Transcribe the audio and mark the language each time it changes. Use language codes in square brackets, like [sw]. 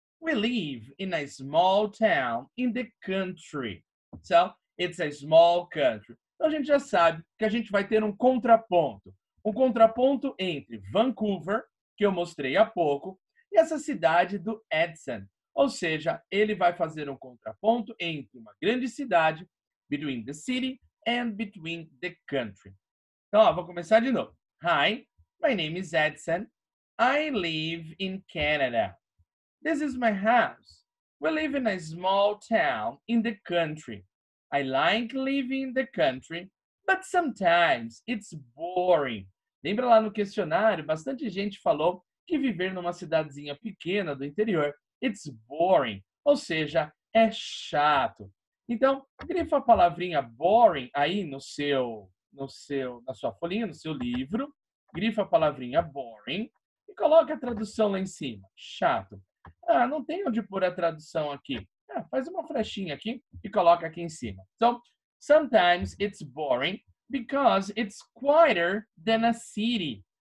[en] We live in a small town in the country. So, it's a small country. [pt] Então, a gente já sabe que a gente vai ter um contraponto. Um contraponto entre Vancouver, que eu mostrei há pouco, e essa cidade do Edson. Ou seja, ele vai fazer um contraponto entre uma grande cidade, [en] between the city and between the country. [pt] Então, ó, vou começar de novo. [en] Hi, my name is Edson. I live in Canada. This is my house. We live in a small town in the country. I like living in the country, but sometimes it's boring. [pt] Lembra lá no questionário, bastante gente falou que viver numa cidadezinha pequena do interior, [en] it's boring, [pt] ou seja, é chato. Então, grifa a palavrinha boring aí na sua folhinha, no seu livro. Grifa a palavrinha boring e coloca a tradução lá em cima, chato. Ah, não tem onde pôr a tradução aqui. Ah, faz uma frechinha aqui e coloca aqui em cima. [en] So, sometimes it's boring because it's quieter than a city.